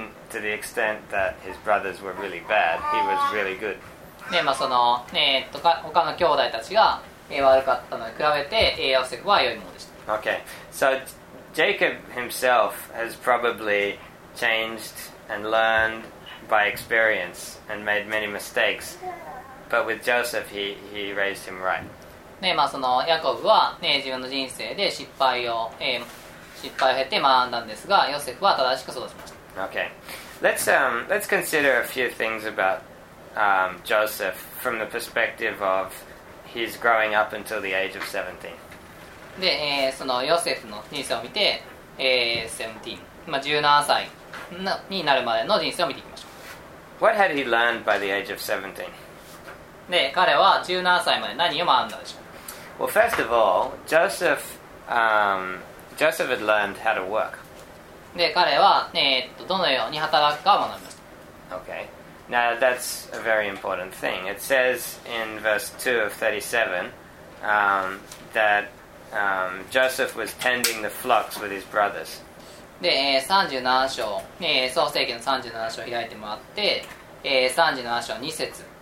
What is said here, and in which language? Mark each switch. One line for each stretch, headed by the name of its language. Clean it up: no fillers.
English: to the extent that his brothers were really bad, he was really good.
Japanese: で、まあ、その、他の兄弟たちが、悪かったのに比べてヨセフは良いものでした。
English: Okay. So Jacob himself has probably changed and learned by experience and made many mistakes. But with Joseph, he raised him right.
Japanese: ね、まあそのヤコブはね、自分の人生で失敗を、失敗を経て学んだんですが、ヨセフは正しく育ちました。
English: Okay. Let's consider a few things about, Joseph from the perspective of his growing up until the age of 17.
Japanese: で、そのヨセフの人生を見て、17、まあ17歳になるまでの人生を見ていきましょう。
English: What had he learned by the age of 17?
Japanese: で、彼は17歳まで何を学んだでしょう。
English: Well, first of all, Joseph had learned how to work.
Japanese: で、彼は、どのように働くかを学びました。
English: Okay. Now, that's a very important thing. It says in verse 2 of 37, that, Joseph was tending the flocks with his brothers.
Japanese: で、37章、創世記の37章を開いてもらって、37章2節。